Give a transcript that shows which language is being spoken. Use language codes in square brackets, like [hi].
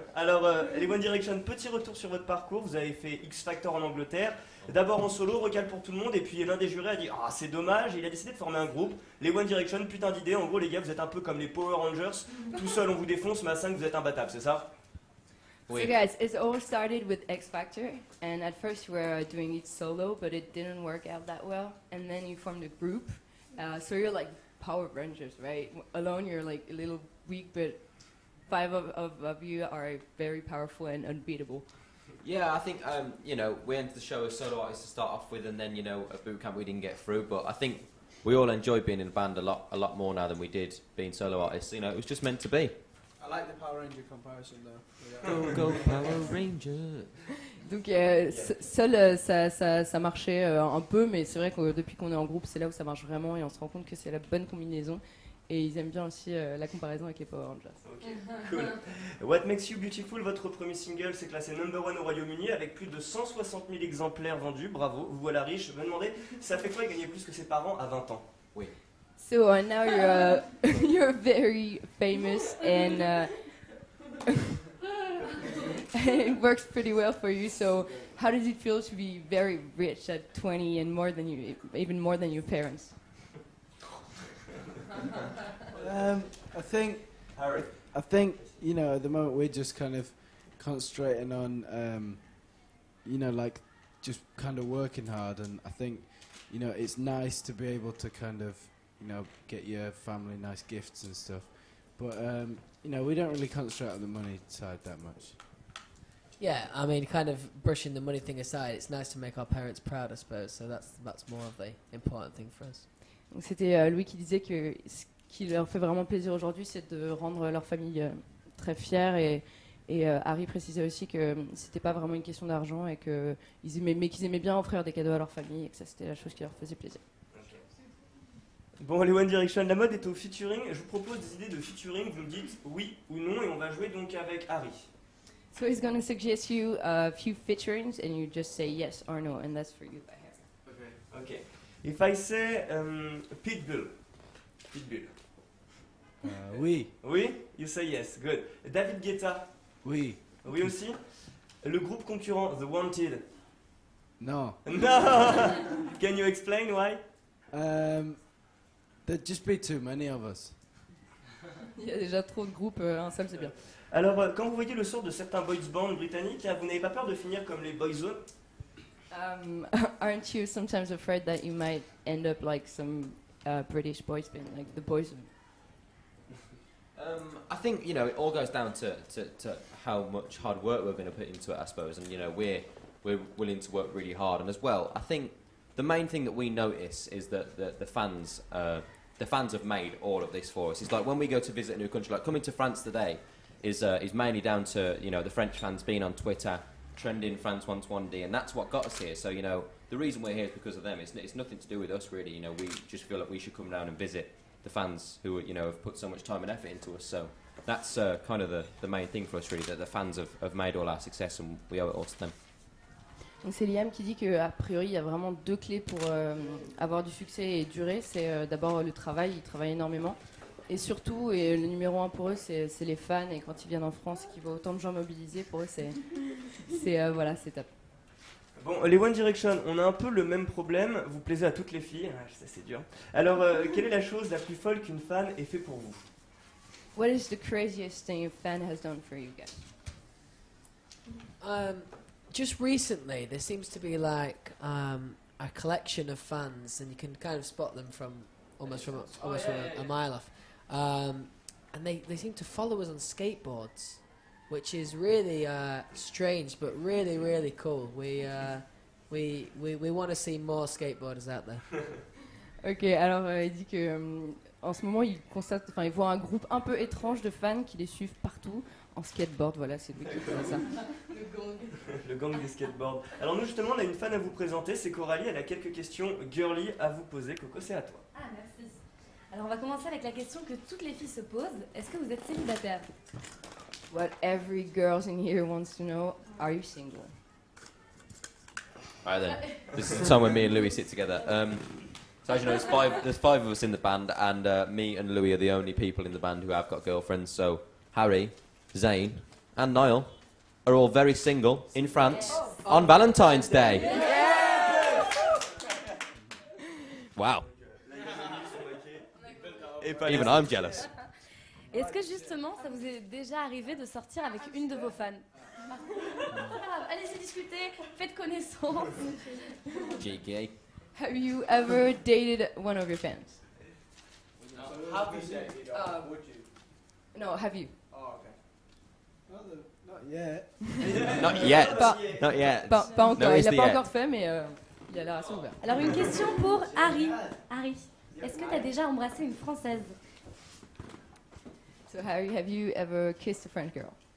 [fr] Alors, les One Direction, petit retour sur votre parcours. Vous avez fait X Factor en Angleterre. D'abord en solo, recal pour tout le monde. Et puis l'un des jurés a dit, ah, c'est dommage. Et il a décidé de former un groupe. Les One Direction, putain d'idée. En gros, les gars, vous êtes un peu comme les Power Rangers. Tout seul, on vous défonce, mais à 5, vous êtes imbattable, c'est ça? Oui. [en] So guys, it all started with X Factor, and at first we were doing it solo, but it didn't work out that well. And then you formed a group, so you're like Power Rangers, right? Alone you're like a little weak, but five of you are very powerful and unbeatable. Yeah, I think, you know, we entered the show as solo artists to start off with, and then, you know, a boot camp we didn't get through, but I think we all enjoy being in a band a lot more now than we did being solo artists. You know, it was just meant to be. I like the Power Ranger comparison though. Go, go, Power Ranger! [fr] Donc, seul, ça marchait un peu, mais c'est vrai que depuis qu'on est en groupe, c'est là où ça marche vraiment et on se rend compte que c'est la bonne combinaison. Et ils aiment bien aussi la comparaison avec les Power Rangers. Ok, cool. What Makes You Beautiful, votre premier single, s'est classé [en] number one [fr] au Royaume-Uni avec plus de 160 000 exemplaires vendus. Bravo, vous voilà riche. Je me demandais, ça fait quoi de gagner plus que ses parents à 20 ans? Oui. [en] So now you're you're very famous and it works pretty well for you. So how does it feel to be very rich at 20 and more than you, even more than your parents? I think you know at the moment we're just kind of concentrating on you know like just kind of working hard, and I think you know it's nice to be able to kind of, you know, get your family nice gifts and stuff. But, you know, we don't really concentrate on the money side that much. Yeah, I mean, kind of brushing the money thing aside, it's nice to make our parents proud, I suppose, so that's more of the important thing for us. [fr] Donc c'était Louis qui disait que ce qui leur fait vraiment plaisir aujourd'hui, c'est de rendre leur famille très fière. Et Harry précisait aussi que c'était pas vraiment une question d'argent, et qu'ils aimaient bien offrir des cadeaux à leur famille, et que ça, c'était la chose qui leur faisait plaisir. Bon, les One Direction, la mode est au featuring. Je vous propose des idées de featuring. Vous me dites oui ou non, et on va jouer donc avec Harry. [en] So he's going to suggest you a few featurings, and you just say yes or no, and that's for you, by Harry. Okay. If I say Pitbull. [fr] Oui. Oui. [en] You say yes. Good. David Guetta. [fr] Oui. Oui aussi. Le groupe concurrent The Wanted. Non. Non. [en] Can you explain why? There'd just be too many of us. [fr] Il y a déjà trop de groupes ensemble, c'est bien. Alors, quand vous voyez le sort de certains boys bands britanniques, vous n'avez pas peur de finir comme les Boyzone? [en] Aren't you sometimes afraid that you might end up like some British boys band, like the Boyzone? I think, you know, it all goes down to how much hard work we're going to put into it, I suppose. And, you know, we're willing to work really hard. And as well, I think the main thing that we notice is that the fans have made all of this for us. It's like when we go to visit a new country, like coming to France today is mainly down to, you know, the French fans being on Twitter, trending France 121D, and that's what got us here. So, you know, the reason we're here is because of them. It's nothing to do with us, really. You know, we just feel like we should come down and visit the fans who, you know, have put so much time and effort into us. So that's kind of the main thing for us, really, that the fans have made all our success, and we owe it all to them. [fr] Donc c'est Liam qui dit qu'a priori, il y a vraiment deux clés pour avoir du succès et durer. C'est d'abord le travail, ils travaillent énormément. Et surtout, et le numéro un pour eux, c'est les fans. Et quand ils viennent en France, qu'ils voient autant de gens mobilisés, pour eux, c'est top. Bon, les One Direction, on a un peu le même problème. Vous plaisez à toutes les filles, ça c'est dur. Alors, quelle est la chose la plus folle qu'une fan ait fait pour vous? [en] What is the craziest thing a fan has done for you guys? Just recently, there seems to be like a collection of fans, and you can kind of spot them from a mile off. And they seem to follow us on skateboards, which is really strange, but really, really cool. We We want to see more skateboarders out there. [fr] Ok, alors il dit que en ce moment il constate, enfin il voit un groupe un peu étrange de fans qui les suivent partout en skateboard. Voilà, c'est lui qui fait ça. Le gang. Le gang des skateboards. Alors nous justement on a une fan à vous présenter, c'est Coralie. Elle a quelques questions girly à vous poser. Coco, c'est à toi. Ah merci. Alors on va commencer avec la question que toutes les filles se posent. Est-ce que vous êtes célibataire? [en] What every girl in here wants to know: are you single? Alright then. This is the time when me and Louis sit together. So as you know, there's five of us in the band, and me and Louis are the only people in the band who have got girlfriends. So Harry, Zane, and Niall are all very single in France on Valentine's Day. Wow. Even I'm jealous. [fr] Est-ce que justement, ça vous est déjà arrivé de sortir avec une de vos fans? Allez-y discuter, faites connaissance. [en] JK. Have you ever dated one of your fans? No. Have you dated or would you? No, have you? Oh, okay. Not yet. [fr] Pas encore fait, mais il y a la ration ouverte. Alors, une question pour Harry. Harry, est-ce que tu as déjà embrassé une Française? [en] So, Harry, have you ever kissed a French girl?